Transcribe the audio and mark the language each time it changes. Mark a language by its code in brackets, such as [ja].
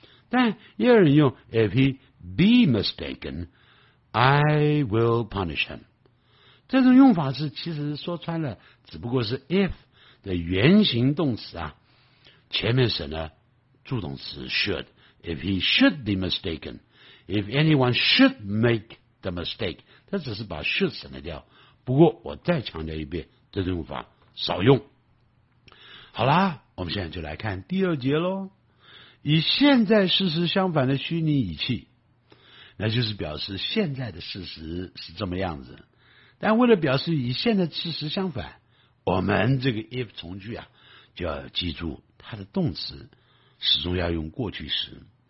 [zh] 但也有人用 [en] if he be mistaken I will punish him， [zh] 这种用法是其实说穿了只不过是 if 的原型动词啊，前面省了助动词 should。 [en] If he should be mistaken， If anyone should make the mistake， [zh] 他只是把 should 省了掉。不过我再强调一遍，这种用法少用。好啦，我们现在就来看第二节咯。以现在事实相反的虚拟语气，那就是表示现在的事实是这么样子，但为了表示以现在事实相反，我们这个 if 从句啊，就要记住它的动词始终要用过去时，